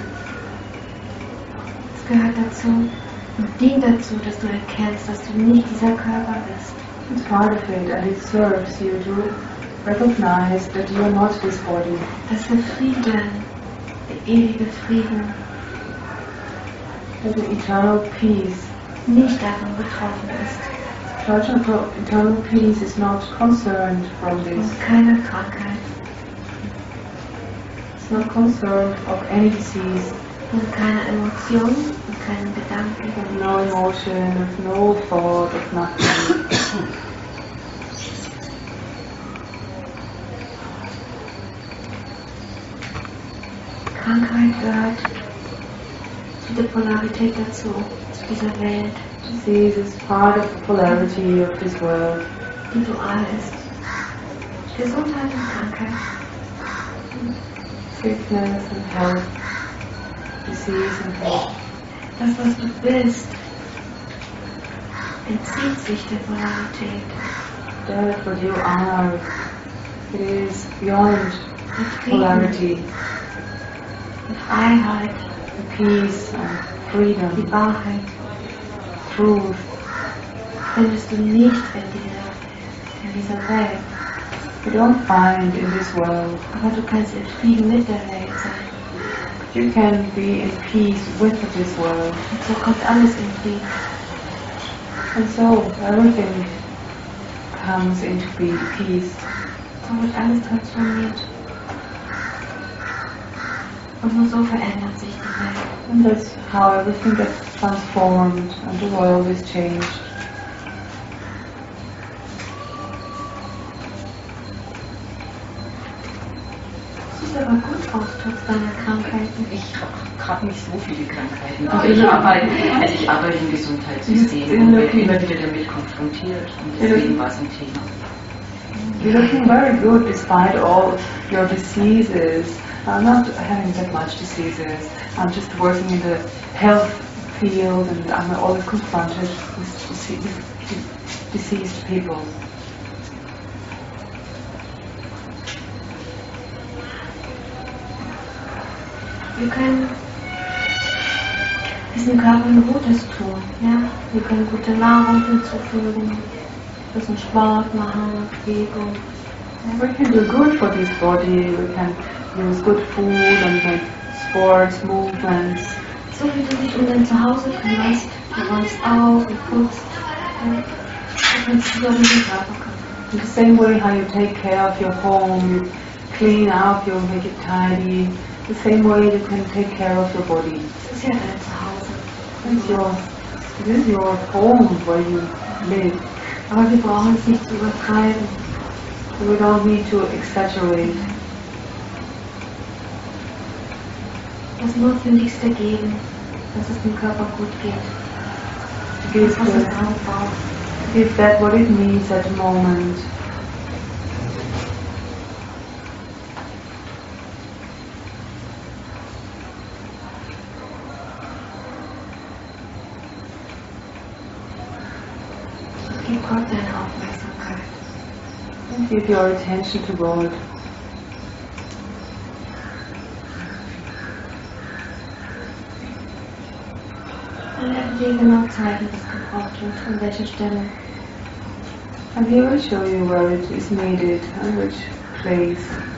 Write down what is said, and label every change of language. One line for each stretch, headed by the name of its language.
German: Es gehört dazu und dient dazu, dass du erkennst, dass du nicht dieser Körper bist.
English: It's part of it and it serves you to recognize that you are not this body.
German: Das ist Frieden. Der ewige Frieden, dass der
English: eternal peace
German: nicht davon betroffen ist.
English: The eternal peace is not concerned from this.
German: Und keine Krankheit.
English: It's not concerned of any disease.
German: Und keine Emotion und keine Gedanken.
English: Of no emotion, of no thought, of nothing.
German: Krankheit gehört zu der Polarität dazu, zu dieser Welt.
English: Disease is part of the polarity of this world.
German: Die dual ist. Gesundheit und Krankheit.
English: Sickness and health. Disease and health.
German: Das, was du bist, entzieht sich der Polarität.
English: That what you are is beyond polarity.
German: Die Freiheit,
English: the peace and freedom,
German: die Wahrheit,
English: truth,
German: findest du nicht in dieser Welt.
English: You don't find in this world.
German: Aber du kannst in Frieden mit der Welt sein.
English: You can be in peace with this world.
German: Und so kommt alles in Frieden.
English: And so everything comes into peace.
German: So wird alles transformiert. Und nur so verändert sich die Welt.
English: And that's how everything gets transformed and the world is changed.
German: Siehst aber gut aus, trotz deiner Krankheiten. Ich habe nicht so viele Krankheiten. Ich arbeite, also ich arbeite im Gesundheitssystem und werde immer wieder damit konfrontiert. Und deswegen war es ein Thema.
English: You're looking very good despite all your diseases. I'm not having that much diseases. I'm just working in the health field and I'm always confronted with diseased people. You can
German: diesem Körper ein gutes tun, ja? Wir können gute Nahrung hinzufügen, bisschen Sport machen, Bewegung.
English: We can do good for this body. We can use good food and make sports, movements.
German: So wie du dich um dein Zuhause kümmerst, du räumst auf, du putzt, du kannst dich um deinen Körper kümmern.
English: In the same way how you take care of your home, you clean up, you make it tidy, the same way you can take care of your body.
German: Das ist ja dein Zuhause.
English: It is your home where you live.
German: Aber wir brauchen es nicht zu übertreiben.
English: So we don't need to exaggerate.
German: Das Notwendigste geben, dass es dem Körper gut geht.
English: Give that what it needs at the moment.
German: Gib Gott deine Aufmerksamkeit.
English: And give your attention to God.
German: Genau zeigen, was gebraucht wird, an welcher Stelle.
English: And he will show you where it is needed, and which place.